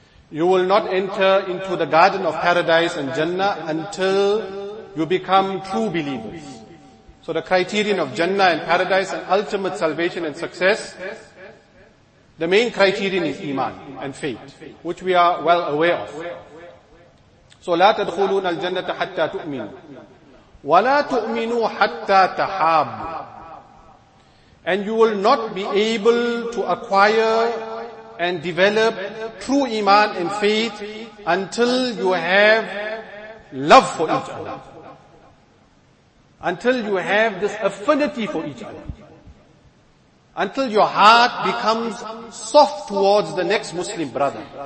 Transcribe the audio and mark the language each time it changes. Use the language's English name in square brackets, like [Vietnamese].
[English] You will not enter into the garden of paradise and Jannah until you become true believers. So the criterion of Jannah and paradise and ultimate salvation and success, the main criterion is iman and faith, which we are well aware of. [Arabic] So لا تدخلون الجنة حتى تؤمنوا ولا تؤمنوا حتى تحابوا. [English] And you will not be able to acquire and develop true iman and faith until you have love for each other. Until you have this affinity for each other. Until your heart becomes soft towards the next Muslim brother.